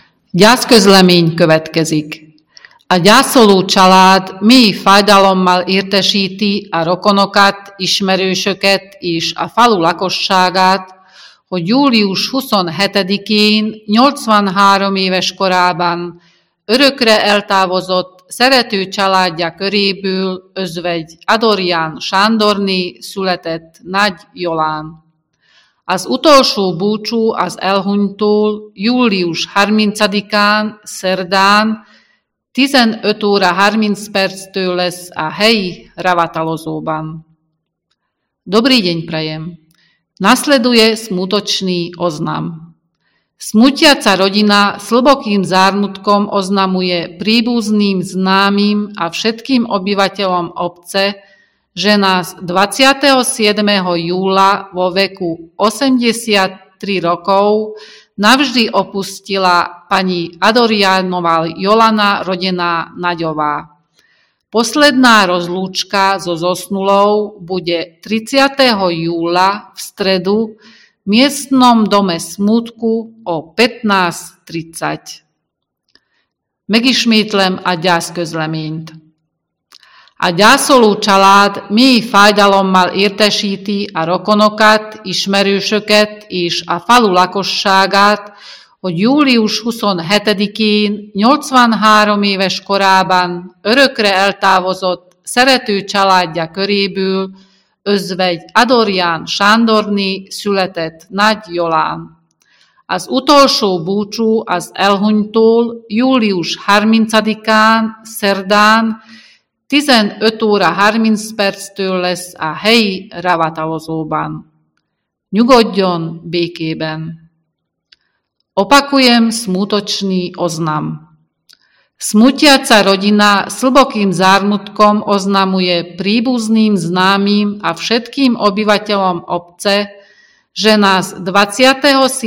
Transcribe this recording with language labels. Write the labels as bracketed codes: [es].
[hu] Gyászközlemény következik. A gyászoló család mély fájdalommal értesíti a rokonokat, ismerősöket és a falu lakosságát, hogy július 27-én, 83 éves korában örökre eltávozott szerető családja köréből özvegy Adorján Sándorné született Nagy Jolán. Az utolsó búcsú az elhunytól július 30-án, szerdán, 15 óra 30 perctől lesz a helyi ravatalozóban. [sk] Dobrý deň prajem. Nasleduje smutočný oznam. Smutiaca rodina s hlbokým zármutkom oznamuje príbuzným, známym a všetkým obyvateľom obce, že nás 27. júla vo veku 83 rokov navždy opustila pani Adoriánová Jolana rodená Naďová. Posledná rozlúčka so zosnulou bude 30. júla v stredu v miestnom dome smútku o 15.30. [hu] Megismétlem a gyászközleményt. A gyászoló család mély fájdalommal értesíti a rokonokat, ismerősöket és a falu lakosságát, hogy július 27-én, 83 éves korában örökre eltávozott szerető családja köréből özvegy Adorján Sándorné született Nagy Jolán. Az utolsó búcsú az elhunytól július 30-án, szerdán, 15 óra 30 perctől lesz a helyi ravatalozóban. Nyugodjon békében. [sk] Opakujem smutočný oznam. Smutiaca rodina s hlbokým zármutkom oznamuje príbuzným, známym a všetkým obyvateľom obce, že nás 27.